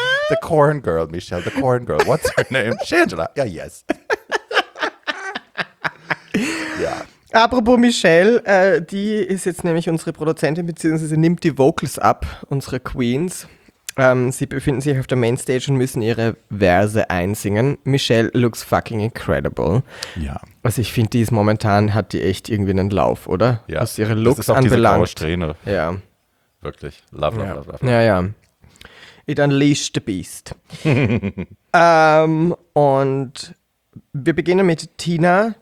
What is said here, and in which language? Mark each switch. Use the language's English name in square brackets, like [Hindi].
[English] The corn girl, Michelle, the corn girl. What's her name? Shangela. Yeah, yes. Yeah. [German] Apropos Michelle, die ist jetzt nämlich unsere Produzentin, beziehungsweise nimmt die Vocals ab, unsere Queens. Sie befinden sich auf der Mainstage und müssen ihre Verse einsingen. [English] Michelle looks fucking incredible. [German] Ja. Also ich finde, die ist momentan, hat die echt irgendwie einen Lauf, oder? Ja. Was ihre Looks anbelangt. Das ist auch diese graue Strähne. Ja. [English] Wirklich. Love, love, [German] ja. [English] Love, love, love. Ja, ja. It unleashed the beast. [German] und wir beginnen mit Tina.